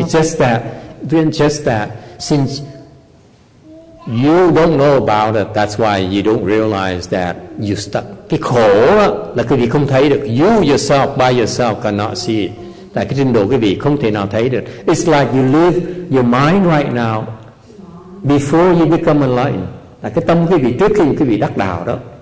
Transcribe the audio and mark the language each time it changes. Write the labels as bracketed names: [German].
[English] It's just that since you don't know about it, that's why you don't realize that you're stuck. [Vietnamese] Cái khổ là quý vị không thấy được. [English] You yourself by yourself cannot see it. [Vietnamese] Tại cái trình độ quý vị không thể nào thấy được. [English] It's like you live your mind right now before you become enlightened. [Vietnamese] Là cái tâm quý vị trước khi quý vị đắc đạo đó.